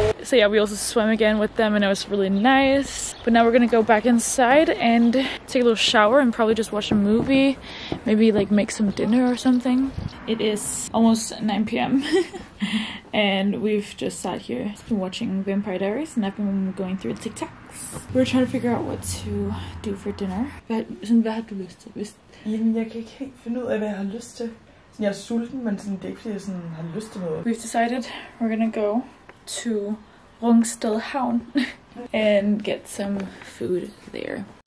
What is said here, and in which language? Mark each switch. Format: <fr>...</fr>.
<en>So yeah, we also swam again with them and it was really nice. But now we're gonna go back inside and take a little shower and probably just watch a movie. Maybe like make some dinner or something. It is almost 9 p.m. and we've just sat here watching Vampire Diaries and I've been going through the TikToks. We're trying to figure out what to do for dinner.</en> <da>Hvad har du lyst til? Jamen, jeg kan ikke helt finde ud af, hvad jeg har lyst til. Jeg er sulten, men sådan, det er ikke, fordi jeg sådan, har lyst til noget.</da> <en>We've decided we're gonna go to Rungsted Havn and get some food there.</en>